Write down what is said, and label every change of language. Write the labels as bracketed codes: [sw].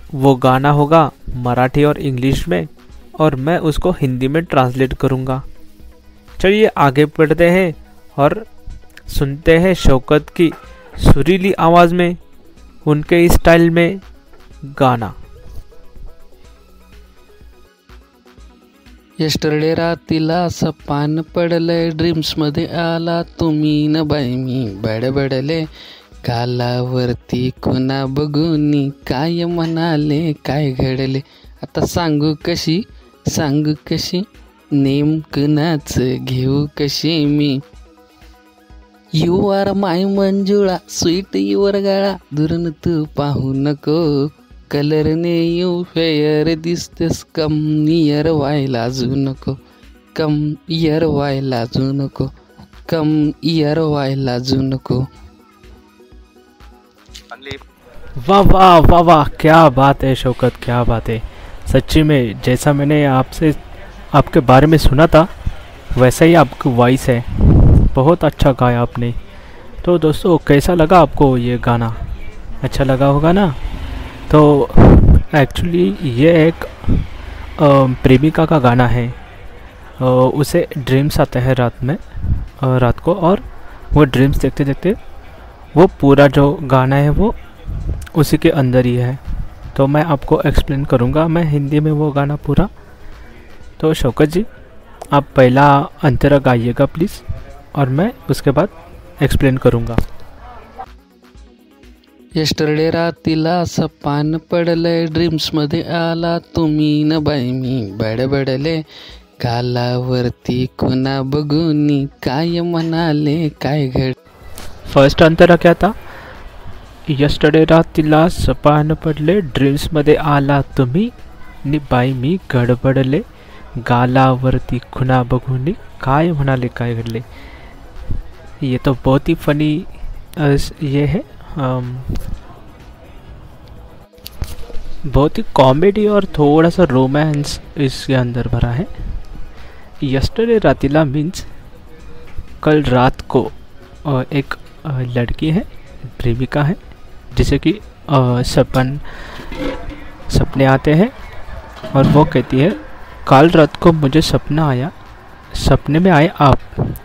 [hi] वो गाना होगा मराठी और इंग्लिश में और मैं उसको हिंदी में ट्रांसलेट करूँगा। चलिए आगे बढ़ते हैं और सुनते हैं शौकत की सुरीली आवाज में उनके स्टाइल में गाना। [mr] यस्टरडे रातीला सपान पडले, ड्रीम्स मध्ये आला तुम्ही न बाई मी बडबडले। कालावरती कुना बघूनी काय म्हणाले काय घडले, आता सांगू कशी नेमकनाच घेऊ कशी मी। [en] you are my [mr] Manjula sweet your गळा, दुरून तू पाहू नको कलर ने यू फेअर दिसतेस, [en] कम इयर [mr] व्हायला जू नको, कम इयर व्हायला जू नको, कम इयर व्हायला जू नको। [hi] वाह वाह वाह वाह, क्या बात है शौकत, क्या बात है। सच्ची में जैसा मैंने आपसे आपके बारे में सुना था वैसा ही आपकी वॉइस है, बहुत अच्छा गाया आपने। तो दोस्तों कैसा लगा आपको ये गाना, अच्छा लगा होगा ना। तो एक्चुअली ये एक प्रेमिका का गाना है, उसे ड्रीम्स आते हैं रात में रात को और वो ड्रीम्स देखते देखते वो पूरा जो गाना है वो उसी के अंदर ही है। तो मैं आपको एक्सप्लेन करूँगा मैं हिंदी में वो गाना पूरा। तो शौकत जी आप पहला अंतरा गाइएगा प्लीज़ और मैं उसके बाद एक्सप्लेन करूंगा। [mr] यस्टरडे रातीला सपान पडले, ड्रीम्स मध्ये आला तुम्ही न बाई मी बडबडले। कालावरती कुना बघूनी काय म्हणाले काय घड। [hi] फर्स्ट आंसर क्या था? [mr] यस्टरडे रातीला सपान पडले, ड्रीम्स मध्ये आला तुम्ही नि बाई मी गडबडले। गालावरती खुना बघूनी काय म्हणाले काय घडले। [hi] ये तो बहुत ही फनी ये है, बहुत ही कॉमेडी और थोड़ा सा रोमांस इसके अंदर भरा है। [mr] यस्टरडे रातीला [hi] मीन्स कल रात को एक लड़की है, प्रेमिका है, जिसे कि सपने आते हैं और वो कहती है कल रात को मुझे सपना आया, सपने में आए आप।